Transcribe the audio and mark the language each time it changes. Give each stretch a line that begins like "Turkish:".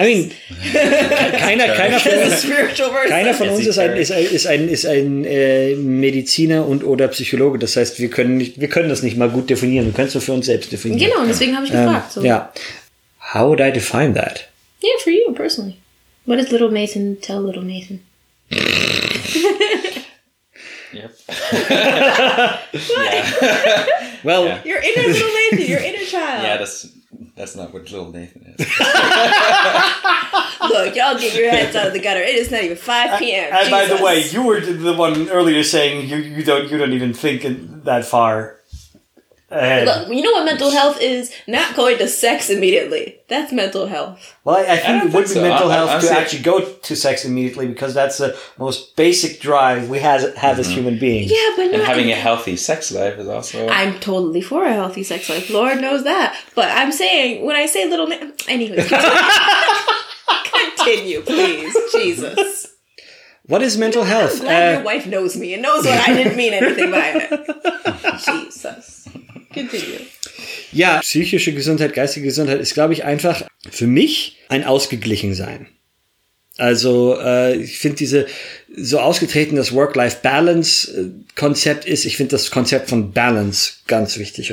English: I mean,
German: keiner von uns ist ein Mediziner und oder Psychologe. Das heißt, wir können das nicht mal gut definieren. Wir können es nur für uns selbst definieren. Genau, und deswegen habe ich gefragt. So.
English: Yeah. How would I define that? Yeah, for you personally. What does little Nathan tell little Nathan? Yep. What? Yeah. Well, your inner little lady, your inner child. Yeah, that's That's not what little Nathan is. Look, y'all get your heads out of the gutter. It is not even 5 p.m. And Jesus. By the way, you were the one earlier saying you don't even think that far ahead. Look, you know what mental health is? Not going to sex immediately. That's mental health. Well, I think it would be mental health to actually go to sex immediately, because that's the most basic drive we have as human beings. Yeah, but not... And having a healthy sex life is also... I'm totally for a healthy sex life. Lord knows that. But I'm saying, when I say little... Anyway. Continue, please. Jesus. What is mental health? I'm glad your wife knows me and knows what I didn't mean anything by it. Jesus. Continue.
German: Ja, psychische Gesundheit, geistige Gesundheit ist, glaube ich, einfach für mich ein Ausgeglichensein. Also ich finde diese so ausgetreten, das Work-Life-Balance-Konzept ist, ich finde das Konzept von Balance ganz wichtig.